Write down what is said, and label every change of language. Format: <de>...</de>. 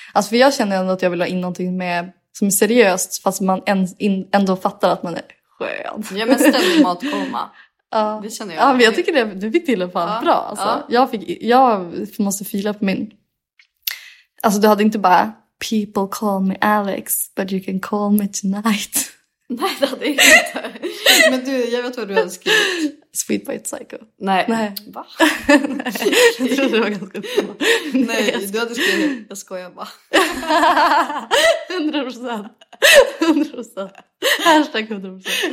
<sv>Alltså, för jag känner ändå att jag vill ha in någonting med, som är seriöst, fast man ändå fattar att man är skön. Ja, men ställ dig mat komma. Det känner jag. Ja, men jag tycker det, du fick till det fan bra. Alltså. Jag måste fila på min... Alltså, du hade inte bara...</sv> <en>People call me Alex, but you can call me tonight.</en> <sv>Nej, det hade inte. Men du, jag vet vad du har skrivit.</sv> <en>Sweet Bite Psycho.</en> <sv>Nej. Nej. Va? Nej. Jag trodde det var ganska bra. Nej, du hade skrivit, jag skojar bara. 100%. 100%. Hashtag 100%.</sv>